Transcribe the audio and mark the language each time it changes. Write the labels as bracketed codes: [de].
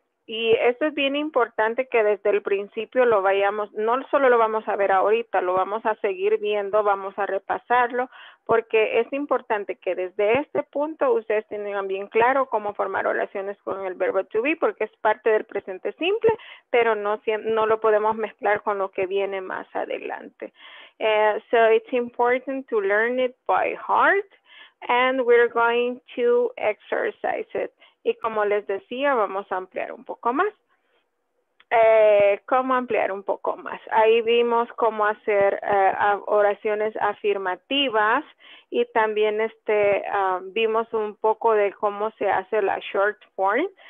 [es] Y esto es bien importante que desde el principio lo vayamos, no solo lo vamos a ver ahorita, lo vamos a seguir viendo, vamos a repasarlo, porque es importante que desde este punto ustedes tengan bien claro cómo formar oraciones con el verbo to be, porque es parte del presente simple, pero no lo podemos mezclar con lo que viene más adelante. [en] So it's important to learn it by heart, and we're going to exercise it. [es] Y como les decía, vamos a ampliar un poco más. ¿Cómo ampliar un poco más? Ahí vimos cómo hacer oraciones afirmativas y también vimos un poco de cómo se hace la short form.